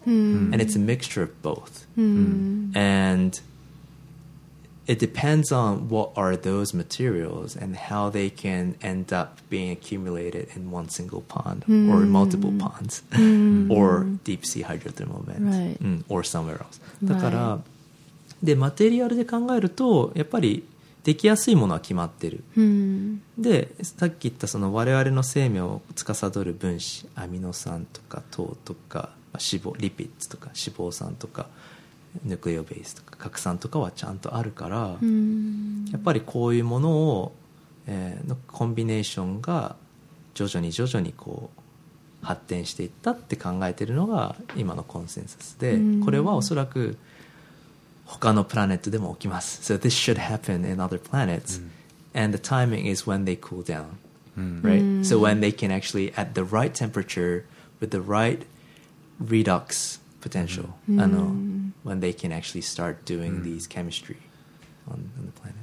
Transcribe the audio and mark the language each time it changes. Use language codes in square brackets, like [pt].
[en] And it's a mixture of both. And it depends on what are those materials and how they can end up being accumulated in one single pond or multiple ponds or deep sea hydrothermal vent or somewhere else. [ja] だから、で、マテリアルで考えるとやっぱりできやすいものは決まってる。で、さっき言ったその我々の生命を司る分子、アミノ酸とか糖とか脂肪、リピッツとか脂肪酸とかヌクレオベースとか核酸とかはちゃんとあるから、やっぱりこういうものを、のコンビネーションが徐々に徐々にこう発展していったって考えてるのが今のコンセンサスで、これはおそらく他のプラネットでも起きます。 [en] So this should happen in other planets、and the timing is when they cool down、right? So when they can actually at the right temperature with the right redox potential、when they can actually start doing、these chemistry on the planet.